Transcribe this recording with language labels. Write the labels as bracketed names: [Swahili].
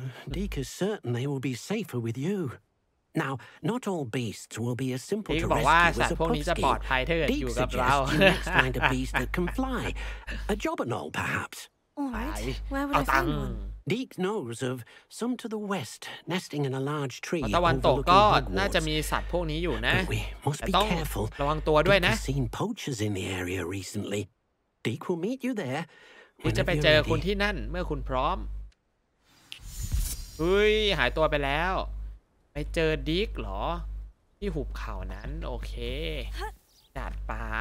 [English] Deke is certain they will be safer with you. Now, not all beasts will be as simple to rescue as a Pupsky. Deke suggests you next find a beast that can fly. A Jobbernoll, perhaps. All right. Where would I find one? Deke knows of some to the west, nesting in a large tree. [Thai] ตะวันตกก็น่าจะมีสัตว์พวกนี้อยู่นะแต่ต้องระวังตัวด้วยนะ [English] Deke has seen poachers in the area recently. Deke will meet you there. [Thai] คุณจะไปเจอคุณที่นั่นเมื่อคุณพร้อมเฮ้ยหายตัวไปแล้วไปเจอดิกเหรอที่หุบเขานั้นโอเคจัดไป